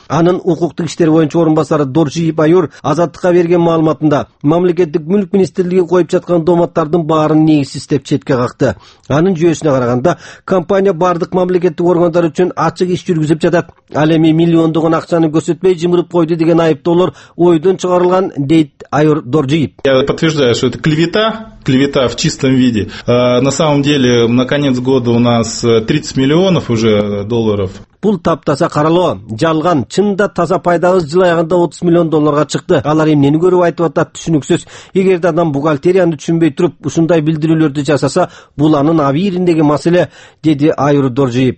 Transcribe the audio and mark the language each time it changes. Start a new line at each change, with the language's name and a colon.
Kyrgyz: Анын укуктук иштер боюнча орун басары Доржи Байур азаттыкка берген маалыматында мамлекеттик мүлк министрлиги коюп жаткан дооматтардын баарын негизсиз деп четке какты. Анын жүйөсүнө караганда компания бардык мамлекеттик органдар үчүн ачык иш жүргүзүп жатат, ал эми миллиондогон акчаны көрсөтпөй жымырып койду деген айыптоолор ойдон чыгарылган, дейт Айур Доржиев.
Russian: Я подтверждаю, что это клевета. Клевета в чистом виде. На самом деле, на конец года у нас 30 миллионов уже долларов.
Kyrgyz: Бул таптаса каралоо, жалган. Чында таза пайдабыз жыл аягында 30 миллион долларга чыкты. Алар эмнени көрүп айтып атат, түшүнүксүз. Эгерде адам бухгалтерияны түшүнбөй туруп ушундай билдирүүлөрдү жасаса, бул анын абийириндеги маселе, деди Айур Доржиев.